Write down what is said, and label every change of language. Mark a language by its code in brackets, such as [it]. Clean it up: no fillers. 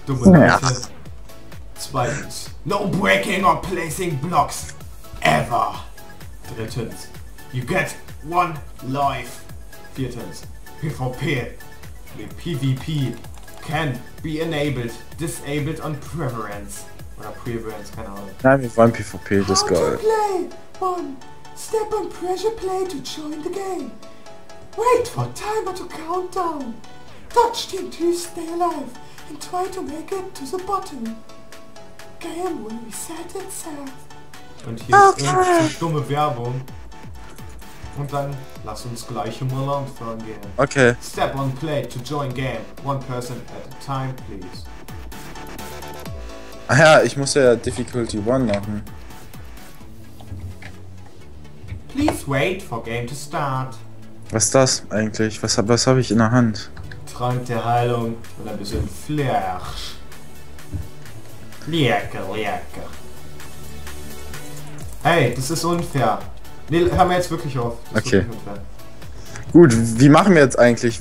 [de] Dumme Leute. Ja. Zweitens. [en] No breaking or placing blocks. Ever. [de] Drittens. [en] You get one life. [de] Viertens. [en] PvP. PvP. Can be enabled. Disabled on preference. [de] Oder preference, keine Ahnung. Nein, wir wollen PvP, das geil. [en] One, step on pressure play to join the game. Wait for timer to count down. Touch team to stay alive and try to make it to the bottom. Game will reset itself. [de] Und hier okay. Ist irgendwie so dumme Werbung. Und dann lass uns gleich im Alarm fahren gehen. Okay. [en] Step on play to join game. One person at a time, please. [de] Ah ja, ich muss ja Difficulty 1 machen. [en] Please wait for game to start. [de] Was ist das eigentlich? Was habe ich in der Hand? Trank der Heilung und ein bisschen Flair. Lecker, lecker. Hey, das ist unfair. Ne, hör mir jetzt wirklich auf. Das okay. Gut, wie machen wir jetzt eigentlich?